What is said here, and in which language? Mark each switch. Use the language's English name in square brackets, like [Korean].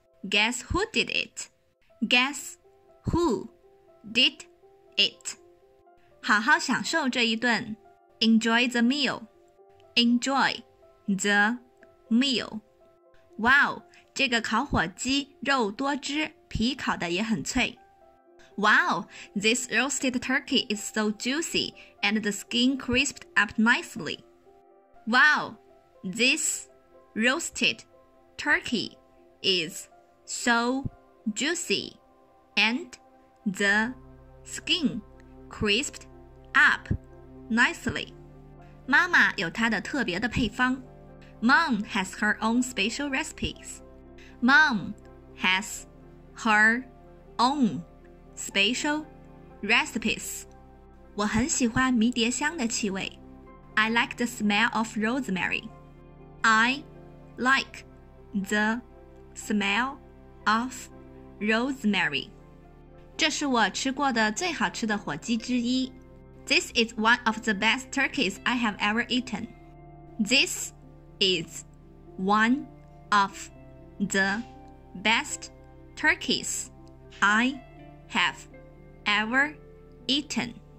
[English] Guess who did it? Guess who did it? [Chinese] 好好享受这一顿。 [English] Enjoy the meal. Enjoy the meal. [Chinese] Wow, 这个烤火鸡肉多汁，皮烤的也很脆。 [English] Wow, this roasted turkey is so juicy and the skin crisped up nicely. Wow, this roasted turkey is so juicy and the skin crisped up nicely. [Chinese] 妈妈有她的特别的配方。 [English] Mom has her own special recipes. Mom has her own special recipes. [Chinese] 我很喜欢迷迭香的气味。 [English] I like the smell of rosemary. I like the smell of rosemary. [Chinese] 这是我吃过的最好吃的火鸡之一。 [English] This is one of the best turkeys I have ever eaten. This is one of the best turkeys I have ever eaten.